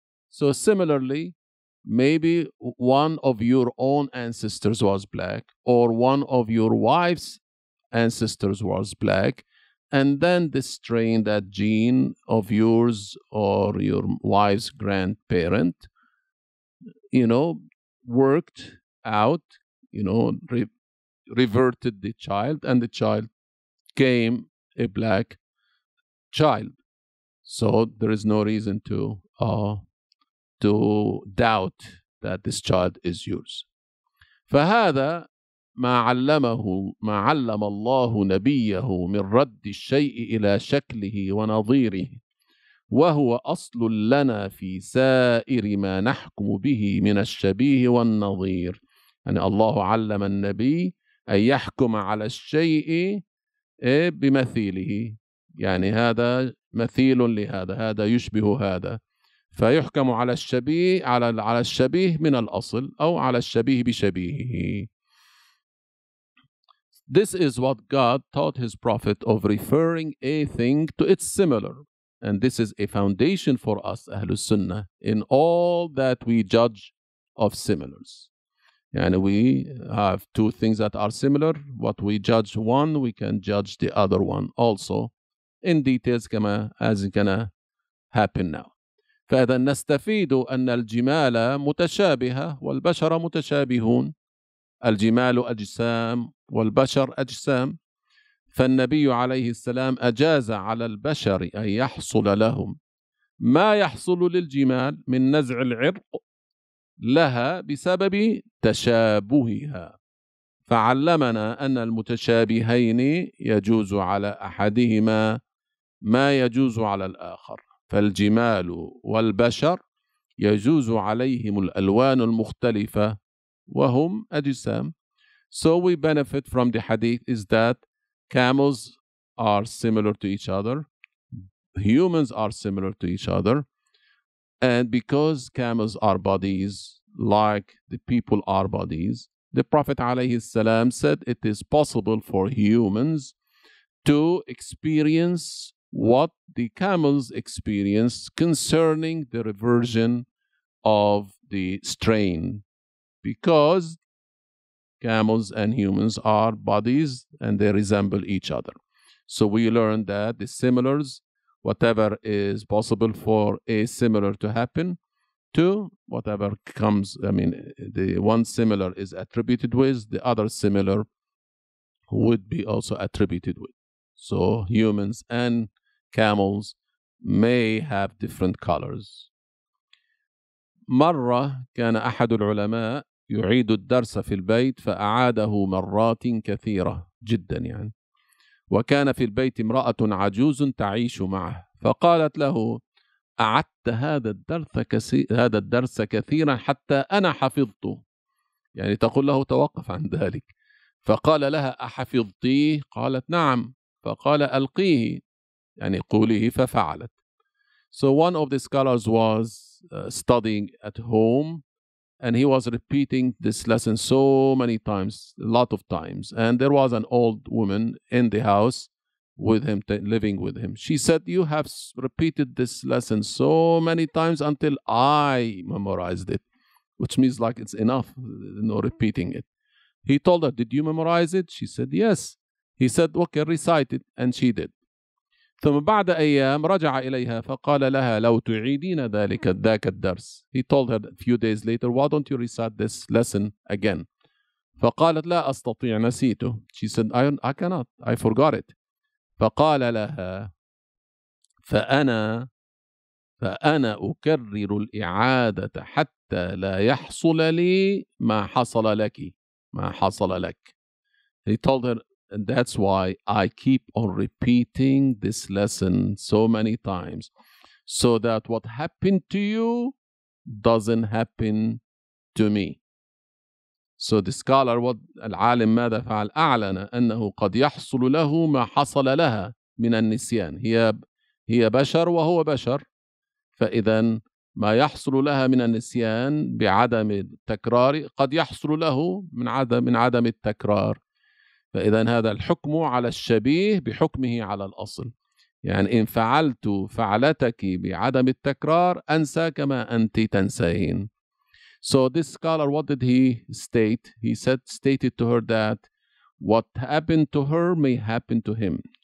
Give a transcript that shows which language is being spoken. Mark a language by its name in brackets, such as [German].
[English] So similarly, maybe one of your own ancestors was black, or one of your wife's ancestors was black, and then this strain, that gene of yours or your wife's grandparent, you know, worked out, you know, reverted the child, and the child came a black child. So there is no reason to doubt that this child is yours. [Arabic] فهذا ما علمه ما علم الله نبيه من رد الشيء إلى شكله ونظيره وهو أصل لنا في سائر ما نحكم به من الشبيه والنظير. يعني الله علم النبي أن يحكم على الشيء بمثيله، يعني هذا مثيل لهذا، هذا يشبه هذا، فيحكم على الشبيه على الشبيه من الأصل أو على الشبيه بشبيهه. [English] This is what God taught his prophet of referring a thing to its similar. And this is a foundation for us, Ahlul Sunnah, in all that we judge of similars. And we have two things that are similar. What we judge one, we can judge the other one also in details, as is going to happen now. [Arabic] فإذا نستفيد أن الجمال متشابهة والبشر متشابهون، الجمال أجسام والبشر أجسام، فالنبي عليه السلام أجاز على البشر أن يحصل لهم ما يحصل للجمال من نزع العرق لها بسبب تشابهها، فعلمنا أن المتشابهين يجوز على أحدهما ما يجوز على الآخر. فالجمال والبشر يجوز عليهم الألوان المختلفة وهم أجسام. [English] So we benefit from the hadith is that camels are similar to each other, humans are similar to each other, and because camels are bodies like the people are bodies, the Prophet عليه السلام said it is possible for humans to experience what the camels experience concerning the reversion of the strain, because camels and humans are bodies and they resemble each other. So we learned that the similars, whatever is possible for a similar to happen to, whatever comes, I mean, the one similar is attributed with, the other similar would be also attributed with. So humans and camels may have different colors. [Arabic] مرة كان أحد العلماء يعيد الدرس في البيت فأعاده مرات كثيرة جدا يعني. وكان في البيت امرأة عجوز تعيش معه فقالت له أعدت هذا الدرس كثيرا حتى أنا حفظته. يعني تقول له توقف عن ذلك. فقال لها أحفظتيه؟ قالت نعم. فقال ألقيه يعني قوليه. ففعلت. [English] So one of the scholars was studying at home and he was repeating this lesson so many times, a lot of times. And there was an old woman in the house with him, living with him. She said, you have repeated this lesson so many times until I memorized it, which means like it's enough, no repeating it. He told her, did you memorize it? She said, yes. He said, okay, recite it. And she did. [Arabic] ثم بعد أيام رجع إليها فقال لها لو تعيدين ذلك ذاك الدرس. [English] He told her a few days later, why don't you recite this lesson again? [Arabic] فقالت لا أستطيع نسيته. [English] She said, I cannot, I forgot it. [Arabic] فقال لها فأنا أكرر الإعادة حتى لا يحصل لي ما حصل لك. ما حصل لك. [English] He told her, and that's why I keep on repeating this lesson so many times, so that what happened to you doesn't happen to me. So the scholar, what [Arabic] العالم ماذا فعل؟ أعلن أنه قد يحصل له ما حصل لها من النسيان. هي بشر وهو بشر. فإذا ما يحصل لها من النسيان بعدم التكرار قد يحصل له من عدم التكرار. فإذا هذا الحكم على الشبيه بحكمه على الأصل. يعني إن فعلت فعلتك بعدم التكرار أنسى كما أنت تنسين. [English] So this scholar, what did he state? He said, stated to her that what happened to her may happen to him.